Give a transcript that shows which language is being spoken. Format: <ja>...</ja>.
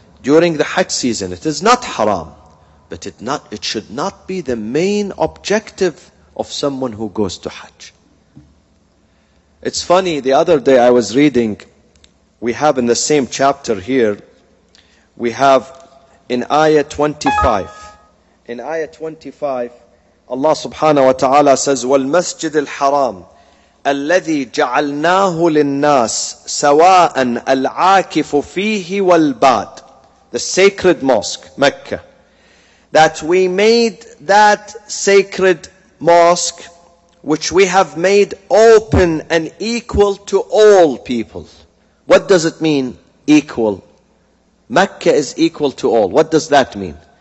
<en>during the Hajj season. It is not haram, but it should not be the main objective of someone who goes to Hajj. It's funny, the other day I was reading, we have in the same chapter here, we have in ayah 25.</en> <ar>In ayah 25, Allah subhanahu wa ta'ala says, والمسجد الحرام الذي جعلناه للناس سواء العاكف فيه والباد.</ar> <en>The sacred mosque, Mecca. That we made that sacred mosque, which we have made open and equal to all people. What does it mean, equal? Mecca is equal to all. What does that mean?</en>